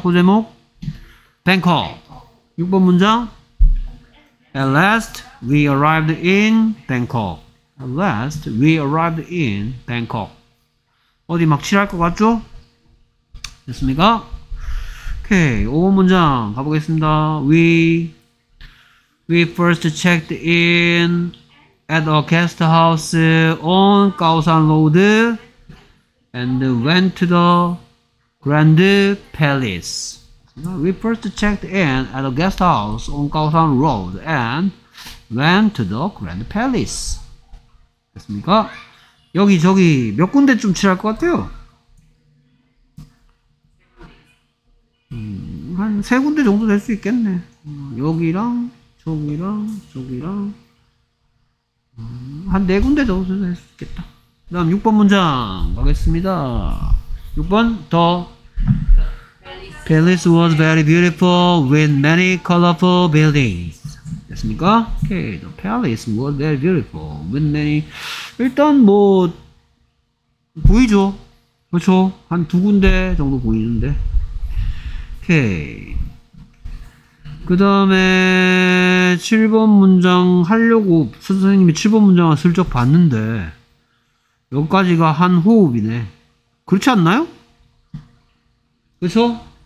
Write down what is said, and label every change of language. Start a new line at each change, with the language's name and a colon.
English: 소제목 Bangkok.
Korean: 6번 문장
English: At last we arrived in Bangkok. At last we arrived in Bangkok.
Korean: 어디 막 칠할 것 같죠? 됐습니까? 오케이, 5번 문장 가보겠습니다.
English: We first checked in at a guest house on Kaosan Road and went to the Grand Palace. We first checked in at a guest house on Kaosan Road and went to the Grand Palace.
Korean: 됐습니까? 여기 저기 몇 군데쯤 칠할 것 같아요? 한 세 군데 정도 될 수 있겠네. 여기랑 저기랑 한 네 군데 정도 선택했겠다. 그 다음 6번 문장 가겠습니다.
English: 6번 더 Palace was very beautiful with many colorful buildings. 됐습니까? Okay, the palace was very beautiful with many.
Korean: 일단 뭐 보이죠? 그렇죠? 한 두 군데 정도 보이는데.
English: Okay.
Korean: 그 다음에 7번 문장 하려고 선생님이 7번 문장을 슬쩍 봤는데 여기까지가 한 호흡이네. 그렇지 않나요? 그렇죠?